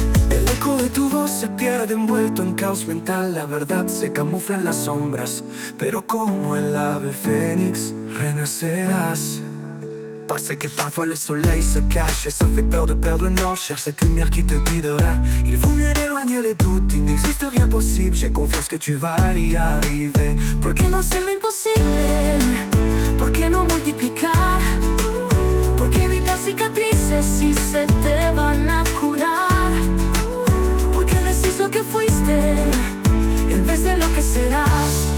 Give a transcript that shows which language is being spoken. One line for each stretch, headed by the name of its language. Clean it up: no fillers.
Spanish: El eco de tu voz se pierde envuelto en caos mental. La verdad se camufla en las sombras, pero como el ave fénix renacerás.
French: Pase que parfois le soleil se cache et ça fait peur de perdre le nord. Cherche cette lumière qui te guidera. Il vaut mieux éloigner les doutes, il n'existe rien possible. J'ai confiance que tu vas y arriver.
Spanish: Por qué no hacer lo imposible? Por qué no multiplicar? Por qué evitar cicatrices si se te van a curar? Por qué decís lo que fuiste en vez de lo que serás?